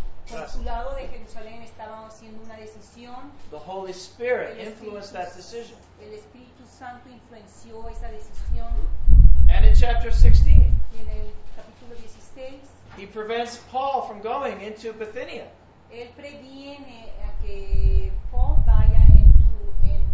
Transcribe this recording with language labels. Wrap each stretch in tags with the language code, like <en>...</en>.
<es>consulado de Jerusalén estaba haciendo una decisión.</es> <en>The Holy Spirit influenced that decision.</en> <es>El Espíritu Santo influenció esa decisión.</es> <en>And in chapter 16,</en> <es>en el capítulo 16,</es> <en>he prevents Paul from going into Bithynia.</en> <es>Él previene a que Paul vaya en</es>